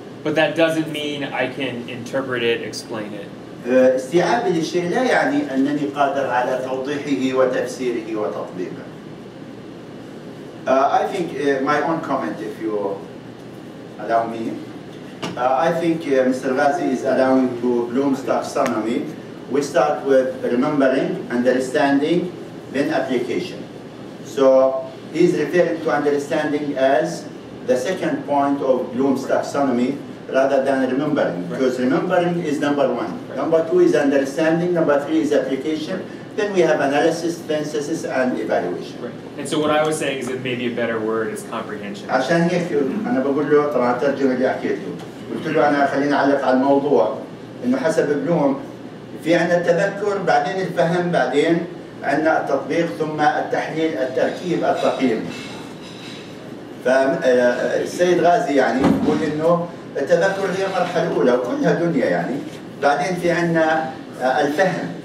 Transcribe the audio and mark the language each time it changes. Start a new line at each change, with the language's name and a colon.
English: But that doesn't mean I can interpret it, explain it.
Arabic: استيعاب الشيء لا يعني أنني قادر على توضيحه وتفسيره وتطبيقه.
English: I think my own comment, if you allow me. I think Mr. Ghazi is allowing to Bloom's taxonomy. We start with remembering, understanding, then application. So he's referring to understanding as the second point of Bloom's taxonomy rather than remembering. Right. Because remembering is number one. Right. Number two is understanding. Number three is application. Right. Then we have analysis, then synthesis, and evaluation. Right. And so what I was saying is that maybe a better word is comprehension.
Arabic: عشان هيك أنا بقول له طبعا ترجم اللي حكيته. قلت له أنا خليني أعلق على الموضوع إنه حسب بلوم في عندنا التذكر بعدين الفهم بعدين عندنا التطبيق ثم التحليل التركيب التقييم. فالسيد غازي يعني يقول إنه التذكر هي المرحلة الأولى وكلها دنيا يعني بعدين في عندنا الفهم